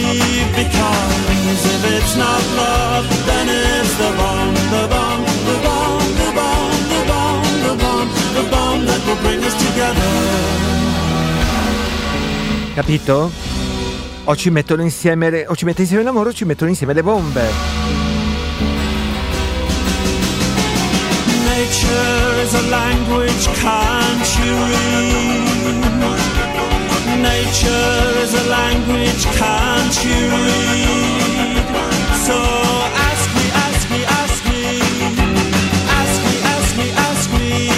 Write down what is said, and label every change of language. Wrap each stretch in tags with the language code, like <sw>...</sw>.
<en>Because if it's not love, then it's the bomb, the bomb, the bomb, the bomb, the bomb, the bomb, the bomb that will bring us together.</en> <it>Capito? O ci mettono insieme le, o ci mettono insieme l'amore, o ci mettono insieme le bombe.</it> <en>Nature is a language can't you read? Nature is a language can't you read? So ask me, ask me, ask me. Ask me, ask me, ask me.</en>